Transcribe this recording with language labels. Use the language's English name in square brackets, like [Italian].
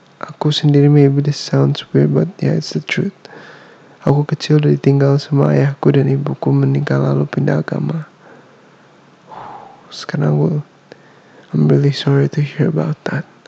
[Indonesian] Aku sendiri [English] maybe this sounds weird, but yeah, it's the truth. [Indonesian] Aku kecil udah ditinggal sama ayahku dan ibuku meninggal lalu pindah agama. Sekarang aku, [English] I'm really sorry to hear about that.